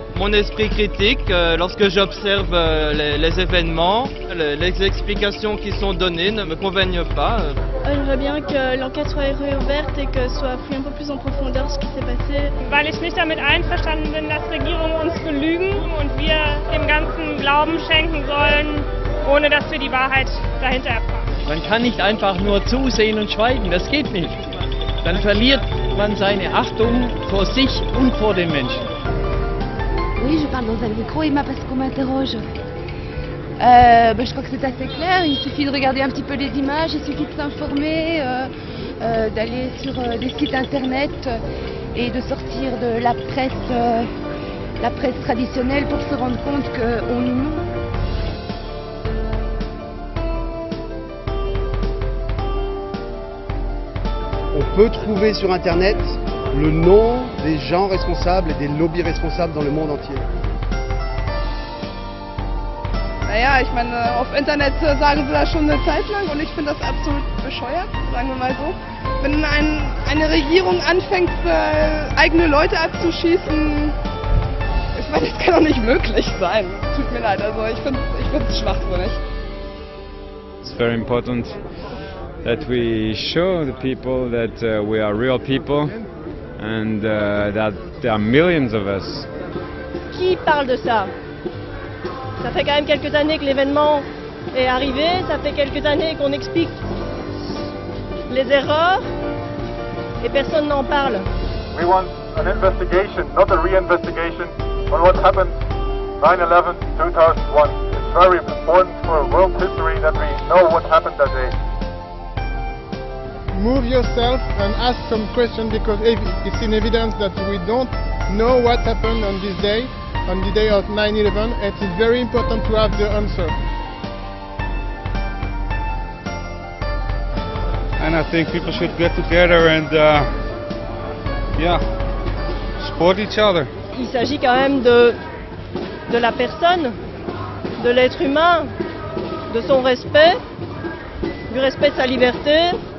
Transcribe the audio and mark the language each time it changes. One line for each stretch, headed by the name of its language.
French: Mon esprit critique, lorsque j'observe les événements, les explications qui sont données ne me convainquent pas. J'aimerais bien que l'enquête soit réouverte et que soit fouillé un peu plus en profondeur ce qui s'est passé.
German: Weil ich nicht damit einverstanden bin, dass Regierungen uns belügen und wir dem ganzen Glauben schenken sollen, ohne dass wir die Wahrheit dahinter erfahren. Man kann nicht einfach nur zusehen und schweigen, das geht nicht. Dann verliert man seine Achtung vor sich und vor den Menschen.
French: Oui, je parle dans un micro, Emma, parce qu'on m'interroge. Je crois que c'est assez clair. Il suffit de regarder un petit peu les images, il suffit de s'informer, d'aller sur des sites internet et de sortir de la presse traditionnelle pour se rendre compte qu'on nous ment. On peut trouver sur internet le nom des gens responsables et des lobbies responsables dans le monde entier.
German: Naja, ich meine, auf Internet sagen sie das schon eine Zeit lang und ich finde das absolut bescheuert, sagen wir mal so. Wenn eine Regierung anfängt, eigene Leute abzuschießen, ich meine, das kann doch nicht möglich sein. Tut mir leid, also ich find's schwachsinnig.
English: It's very important that we show the people that we are real people. And that there are millions of us.
French: Qui parle de ça? Ça fait quand même quelques années que l'événement est arrivé, ça fait quelques années qu'on explique les erreurs et personne n'en parle.
English: We want an investigation, not a re-investigation, on what happened 9/11 2001. It's very important for world history that we know what happened that day. Move yourself and ask some questions because it's in evidence that we don't know what happened on this day, on the day of 9/11, and it's very important to have the answer. And I think people should get together and, support each other.
French: Il s'agit quand même de la personne, de l'être humain, de son respect, du respect de sa liberté.